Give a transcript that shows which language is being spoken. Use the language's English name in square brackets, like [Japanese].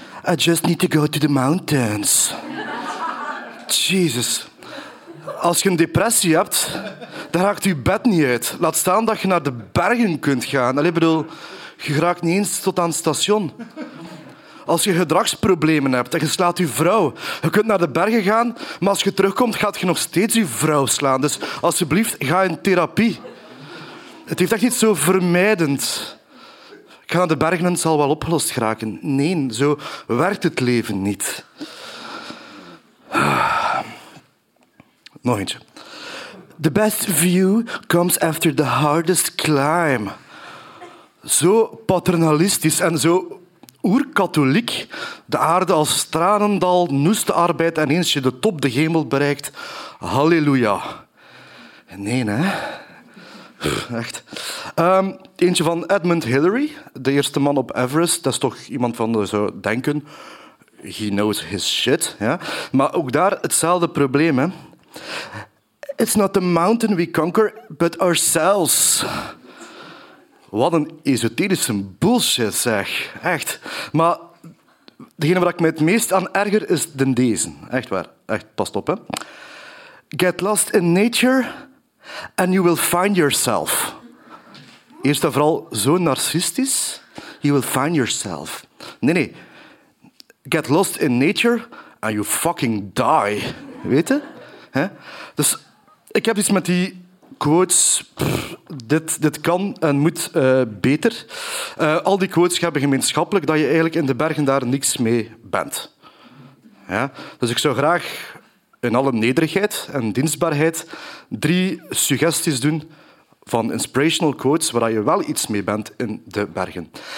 [English] I just need to go to the mountains. Jesus. [Dutch] Als je een depressie hebt, dan raakt je bed niet uit. Laat staan dat je naar de bergen kunt gaan. Allee, bedoel, je raakt niet eens tot aan het station. Als je gedragsproblemen hebt en je slaat je vrouw, je kunt naar de bergen gaan, maar als je terugkomt, gaat je nog steeds je vrouw slaan. Dus alsjeblieft, ga in therapie. Het heeft echt niet zo vermijdend. Ik ga naar de bergen en het zal wel opgelost geraken. Nee, zo werkt het leven niet. Nog eentje. [English] The best view comes after the hardest climb. [Dutch] Zo paternalistisch en zo... oerkatholiek, de aarde als stranendal, noeste arbeid en eens je de top de hemel bereikt, halleluja. Nee, hè. Echt. Eentje van Edmund Hillary, de eerste man op Everest. Dat is toch iemand van de zo denken. [English] He knows his shit. [Dutch] Ja? Maar ook daar hetzelfde probleem, hè. [English] It's not the mountain we conquer, but ourselves. [Dutch] Wat een esoterische bullshit, zeg. Echt. Maar degene waar ik mij het meest aan erger is de deze. Echt waar. Echt, pas op, hè. [English] Get lost in nature and you will find yourself. [Dutch] Eerst en vooral zo narcistisch. [English] You will find yourself. [Dutch] Nee. [English] Get lost in nature and you fucking die. [Dutch] Weet je? Hè? Dus ik heb iets met die... quotes, dit kan en moet beter. Al die quotes hebben gemeenschappelijk dat je eigenlijk in de bergen daar niks mee bent. Ja? Dus ik zou graag in alle nederigheid en dienstbaarheid drie suggesties doen van inspirational quotes waar je wel iets mee bent in de bergen.